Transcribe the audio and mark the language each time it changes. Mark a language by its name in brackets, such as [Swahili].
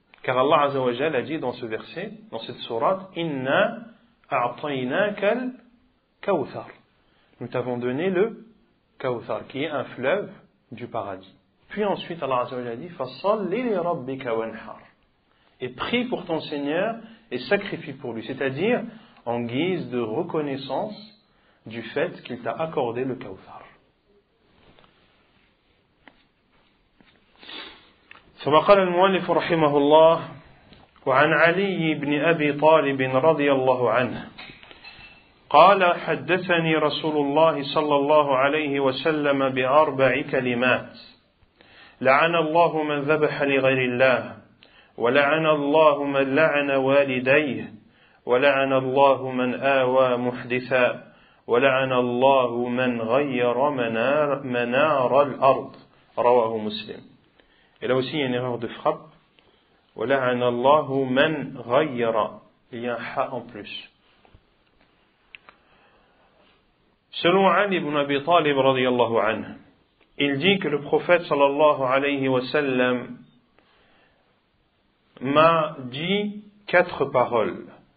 [French] Car Allah Azzawajal a dit dans ce verset, dans cette sourate, « [Arabic] Inna a'tayna kawthar [French] » Nous t'avons donné le kawthar, qui est un fleuve du paradis. Puis ensuite Allah Azzawajal a dit « [Arabic] Fassalli li rabbika wanhar [French] » et prie pour ton Seigneur et sacrifie pour lui, c'est-à-dire en guise de reconnaissance du fait qu'il t'a accordé le kawthar. [Arabic] ثم قال المؤلف رحمه الله وعن علي بن أبي طالب رضي الله عنه قال حدثني رسول الله صلى الله عليه وسلم بأربع كلمات لعن الله من ذبح لغير الله ولعن الله من لعن والديه ولعن الله من آوى محدثا ولعن الله من غير منار الأرض رواه مسلم. [French] Et là aussi, il y a une erreur de frappe. [Arabic] وَلَعَنَ اللَّهُ مَنْ غَيَّرَ. [French] Il y a un « ha » en plus. Selon Ali ibn Abi Talib, radiyallahu anhu, il dit que le prophète, sallallahu alayhi wa sallam, m'a dit quatre paroles.